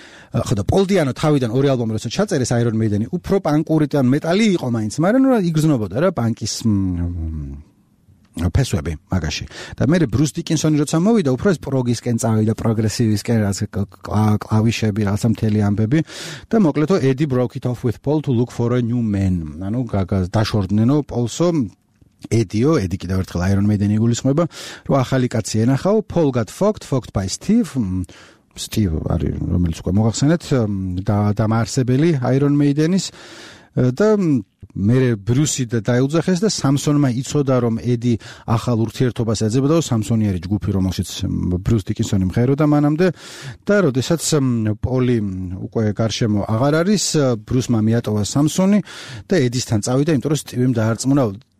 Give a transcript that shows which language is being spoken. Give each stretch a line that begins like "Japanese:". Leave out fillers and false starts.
Georgian: ხოდა Paul Diano თავიდან ორი ალბომი როცა ჩაწერეს Iron Maiden-ი, უფრო პანკური და მეტალი იყო მაინც, მაგრამ იგრძნობოდა რა პანკის ფესვები მაგაში. და მე Bruce Dickinson-ი როცა მოვიდა, უფრო ეს პროგისკენ წავიდა, პროგრესივისკენ, რაც კლავიშები, რაც მთელი ამბები. და მოკლედო
English: Eddy broke it off with Paul to look for a new man.
Georgian: ანუ დაშორდნენო Paul-სო Eddy-ო, Eddy კიდევ ერთხელ Iron Maiden-ი გულისხმობა, რომ ახალი კაცი ენახაო.
English: Paul got fucked by Steve
Georgian: არის, რომელიც უკვე მოგახსენეთ, დამაარსებელი Iron Maiden-ის. და მერე ბრუსი და დაეუძახეს და სამსონმა იცოდა, რომ Eddy ახალ ურთიერთობას ეძებდა, სამსონი არის ჯგუფი, რომელშიც Bruce Dickinson-ი მღეროდა მანამდე. და როდესაც Paul-ი უკვე გარშემო აღარ არის, ბრუსმა მიატოვა სამსონი და Eddy-სთან წავიდა, იმიტომ რომ Steve-მ დაარწმუნა.